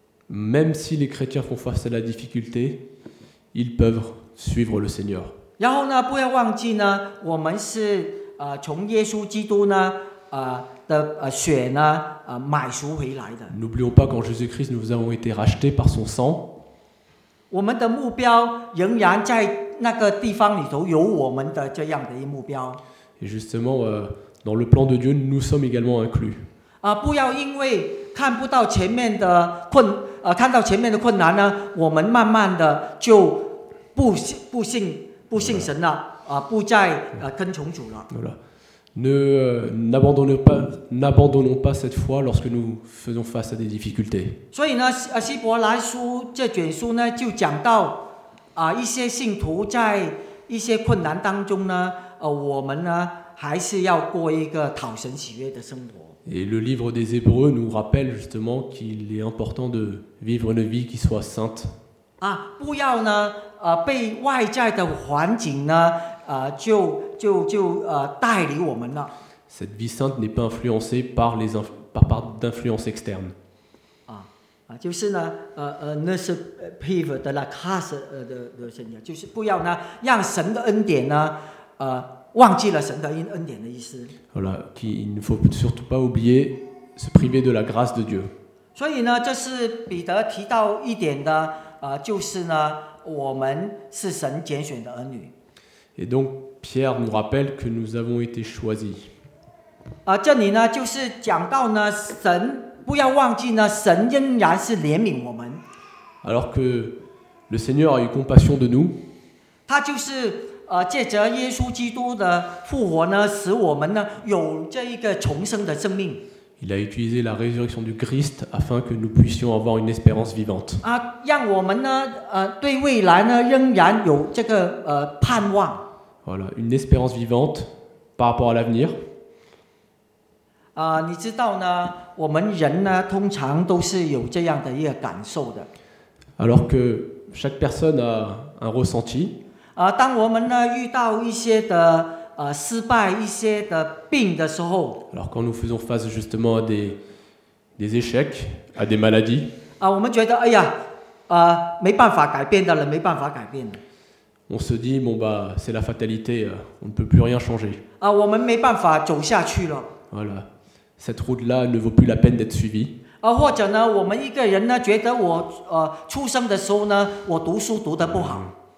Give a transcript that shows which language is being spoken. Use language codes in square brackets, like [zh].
[fr] Même si les chrétiens font face à la difficulté, ils peuvent suivre le Seigneur. [zh] 然后呢，不要忘记呢，我们是从耶稣基督呢，的血呢买赎回来的。 [fr] N'oublions pas qu'en Jésus-Christ nous avons été rachetés par son sang. [zh] 我们的目标仍然在那个地方里头有我们的这样的一目标。 [fr] Et justement, dans le plan de Dieu, nous sommes également inclus. [zh] 不要因为看不到前面的困看到前面的困难呢，我们慢慢的就不信神了。不再跟从主了。 [fr] Voilà. N'abandonnons pas cette foi lorsque nous faisons face à des difficultés. [zh] 所以呢，希伯来书这卷书呢，就讲到一些信徒在一些困难当中呢，我们呢还是要过一个讨神喜悦的生活。 [fr] Et le livre des Hébreux nous rappelle justement qu'il est important de vivre une vie qui soit sainte. [zh] 不要呢。被外在的环境呢，就带领我们了。 [fr] Cette vie sainte n'est pas influencée par les par d'influences externes. [zh] 就是呢，那是 pivot 的 la case 的神呀，就是不要呢，让神的恩典呢，忘记了神的恩典的意思。 [fr] Voilà, qu'il ne faut surtout pas oublier se priver de la grâce de Dieu. [zh] 所以呢，这是彼得提到一点的，就是呢。我们是神拣选的儿女。 [fr] Et donc Pierre nous rappelle que nous avons été choisis. [zh] 这里呢就是讲到呢，神不要忘记呢，神仍然是怜悯我们。 [fr] Alors que le Seigneur a eu compassion de nous. [zh] 他就是借着耶稣基督的复活呢，使我们呢有这一个重生的生命。 [fr] Il a utilisé la résurrection du Christ afin que nous puissions avoir une espérance vivante. [zh] 让我们呢，对未来呢，仍然有这个盼望。 [fr] Voilà, une espérance vivante par rapport à l'avenir. [zh] 你知道呢，我们人呢，通常都是有这样的一个感受的。 [fr] Alors que chaque personne a un ressenti. [zh] 当我们呢，遇到一些的失败一些的病的时候 [fr] ，alors quand nous faisons face justement à des échecs, à des maladies, [zh] 我们觉得哎呀，没办法改变的了，没办法改变的。 [fr] On se dit bon bah c'est la fatalité, on ne peut plus rien changer. [zh] 我们没办法走下去了。 [fr] Voilà, cette route là ne vaut plus la peine d'être suivie. [zh] 或者呢，我们一个人呢，觉得我出生的时候呢，我读书读得不好。